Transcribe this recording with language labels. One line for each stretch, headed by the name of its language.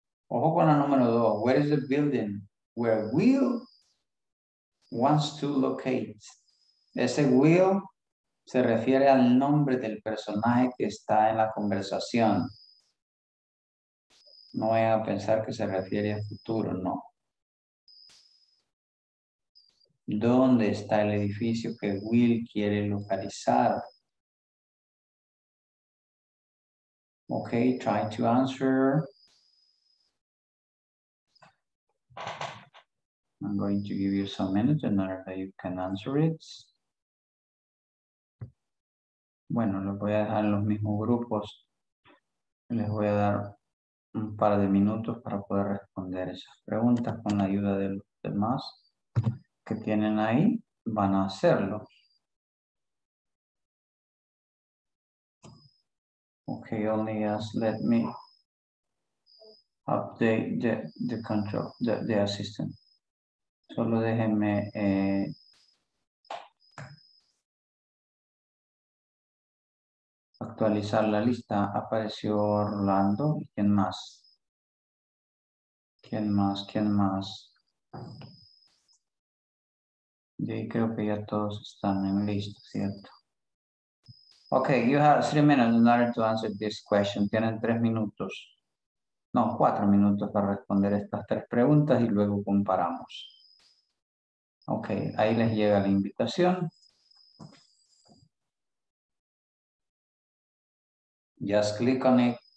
Spanish: Ojo con la número 2.
English: Where is the building where Will wants to locate?
Spanish: Ese Will se refiere al nombre del personaje que está en la conversación. No vayan a pensar que se refiere a futuro, no. ¿Dónde está el edificio que Will quiere localizar?
English: Ok, try to answer. I'm going to give you some minutes in order that you can answer it.
Spanish: Bueno, los voy a dejar en los mismos grupos. Les voy a dar un par de minutos para poder responder esas preguntas con la ayuda de los demás que tienen ahí. Van a hacerlo.
English: Okay, only just let me update the control, the assistant.
Spanish: Solo déjenme actualizar la lista. Apareció Orlando. ¿Quién más? ¿Quién más? ¿Quién más? Y ahí creo que ya todos están en lista, ¿cierto?
English: Okay, you have 3 minutes in order to answer this question.
Spanish: Tienen 3 minutos. No, 4 minutos para responder estas 3 preguntas y luego comparamos. Okay, ahí les llega la invitación.
English: Just click on it.